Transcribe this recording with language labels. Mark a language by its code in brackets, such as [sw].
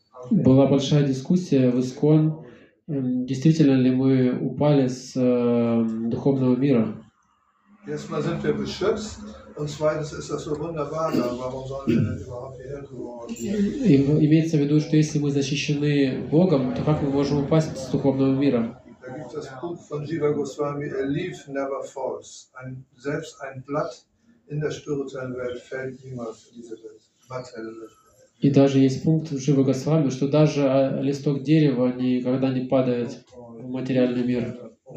[ru] Была большая дискуссия в ИСККОН, действительно ли мы упали с духовного мира. [de] Erstmal sind wir beschützt und zweitens ist das so wunderbar, warum sollen wir denn überhaupt hierher kommen? [ru] Имеется в виду, что если мы защищены Богом, то как мы можем упасть с духовного мира? [de] Da gibt es das Buch von Jiva Goswami, A Leaf Never Falls. Selbst ein Blatt in der spirituellen Welt fällt niemals in diese materielle Welt. [ru] И даже есть пункт в Живой Госвами, что даже листок дерева никогда не падает в материальный мир.